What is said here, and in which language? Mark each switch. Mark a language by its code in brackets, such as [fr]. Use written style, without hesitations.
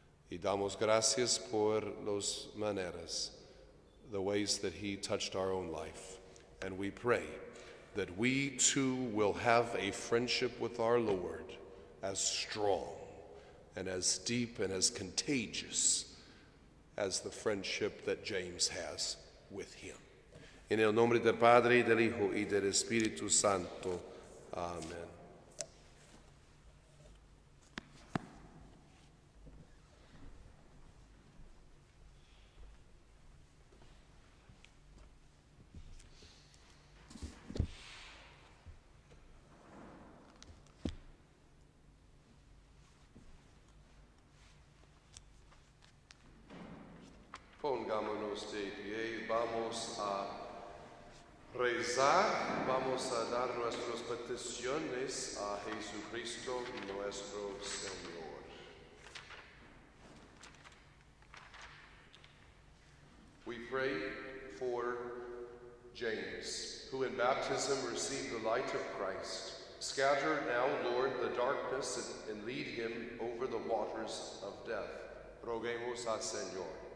[es] Y damos gracias por las maneras, [en] the ways that he touched our own life. And we pray that we too will have a friendship with our Lord as strong and as deep and as contagious as the friendship that James has with him. [es] In el nombre del Padre, del Hijo, y del Espíritu Santo. Amen. Pongámonos de pie, vamos a rezar, vamos a dar nuestras peticiones a Jesucristo nuestro Señor. [en] We pray for James, who in baptism received the light of Christ. Scatter now, Lord, the darkness and lead him over the waters of death. [es] Roguemos al Señor.